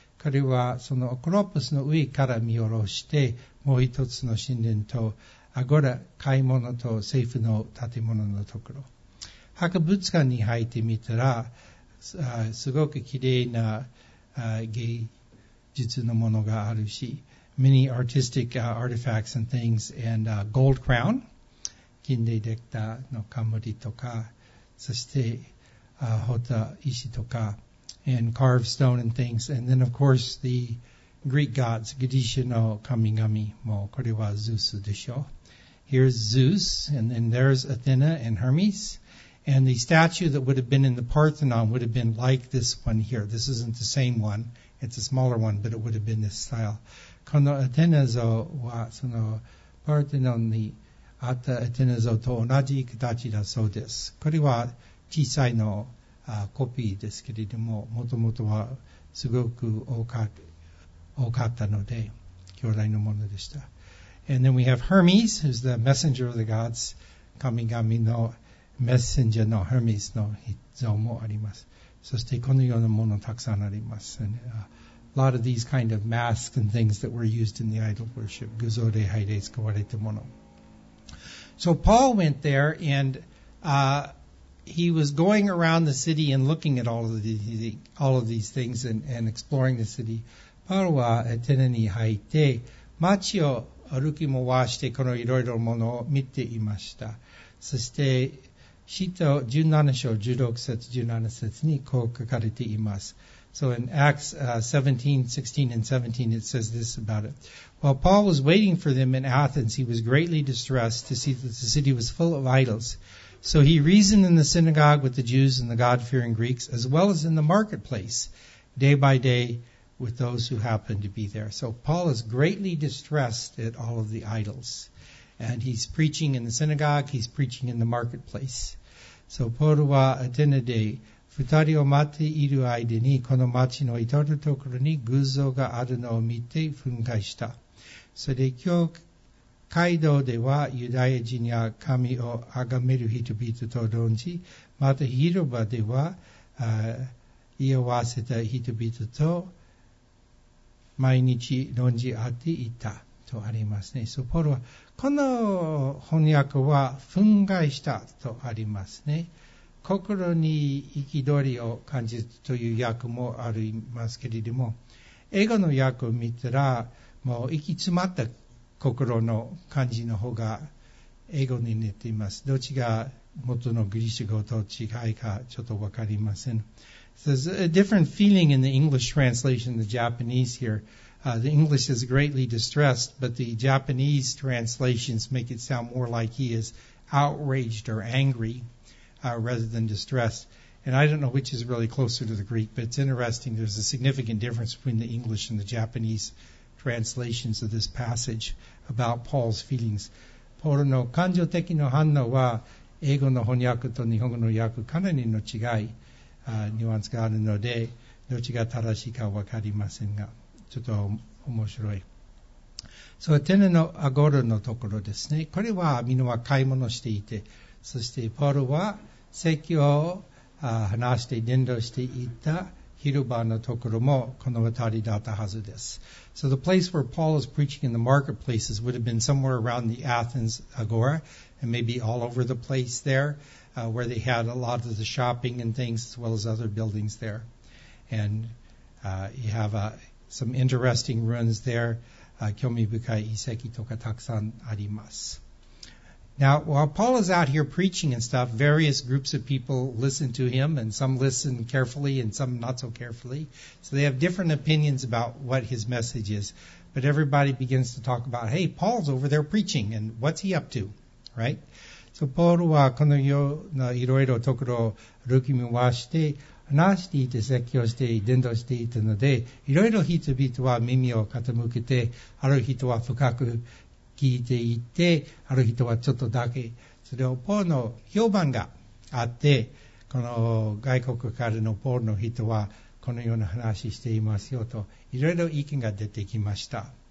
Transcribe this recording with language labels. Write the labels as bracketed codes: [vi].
[ja] これはそのアクロポリスの上から見下ろして、もう一つの神殿と、アゴラ買い物と政府の建物のところ。博物館に入ってみたら、すごくきれいな芸術のものがあるし、 [en] many artistic artifacts and things, and gold crown, [ja] 金でできたの冠とか、そして彫った石とか、 [en] and carved stone and things, and then of course the Greek gods, [ja] ギリシャの神々も、これはゼウスでしょ。 [en] Here's Zeus, and then there's Athena and Hermes. And the statue that would have been in the Parthenon would have been like this one here. This isn't the same one. It's a smaller one, but it would have been this style. [ja] このアテネ像はそのパルテノンにあったアテネ像と同じ形だそうです。これは小さいのコピーですけれども、もともとはすごく多かったので兄弟のものでした。 [en] And then we have Hermes, who's the messenger of the gods, [ja] 神々のメッセンジャーのヘルメスの像もあります。そしてこのようなものたくさんあります。 [en] And, a lot of these kind of masks and things that were used in the idol worship, [ja] 偶像礼拝で使われたもの。 [en] So Paul went there andhe was going around the city and looking at all of these things and exploring the city. [ja] パウロはアテネに入って街を歩き回してこのいろいろものを見ていました。そして使徒17章16節17節にこう書かれています。 [en] So in Acts 17:16-17 it says this about it. While Paul was waiting for them in Athens, he was greatly distressed to see that the city was full of idols. So he reasoned in the synagogue with the Jews and the God-fearing Greeks, as well as in the marketplace, day by day with those who happened to be there. So Paul is greatly distressed at all of the idols. And he's preaching in the synagogue, he's preaching in the marketplace. So [ja] ポールはアテネで、二人を待っている間に、この町の至るところに偶像があるのを見て憤慨した。 [en] So they killed. [ja] 街道ではユダヤ人や神を崇める人々と論じ、また広場では居合わせた人々と毎日論じ合っていたとありますね。そこはこの翻訳は憤慨したとありますね。心に憤りを感じるという訳もありますけれども、英語の訳を見たらもう行き詰まった心の感じの方が英語に似ています。どっちが元のグリシャ語と違いかちょっと分かりません。 [en] So there's a different feeling in the English translation than the Japanese here. The English is greatly distressed, but the Japanese translations make it sound more like he is outraged or angry rather than distressed. And I don't know which is really closer to the Greek, but it's interesting. There's a significant difference between the English and the Japanese translations of this passage about Paul's feelings. [ja] ポールの感情的な反応は英語の翻訳と日本語の訳かなりの違い、ニュアンスがあるので、どっちが正しいか分かりませんが、ちょっと面白い。そう、テネのアゴルのところですね。これはみんなは買い物していて、そしてポールは席を話して伝道していた広場のところもこの辺りだったはずです。 [en] So the place where Paul is preaching in the marketplaces would have been somewhere around the Athens Agora and maybe all over the place there where they had a lot of the shopping and things as well as other buildings there. And you have some interesting ruins there. [ja] 興味深い遺跡とかたくさんあります。 [en] Now while Paul is out here preaching and stuff, various groups of people listen to him, and some listen carefully and some not so carefully. So they have different opinions about what his message is. But everybody begins to talk about, hey, Paul's over there preaching and what's he up to, right? So [ja] Paul はこのようないろいろところを歩き回して話していて説教して伝道していたので、いろいろ人々は耳を傾けて、ある人は深く聞いていて、ある人はちょっとだけ。それをポールの評判があって、この外国からのポールの人はこのような話していますよと、いろいろ意見が出てきました。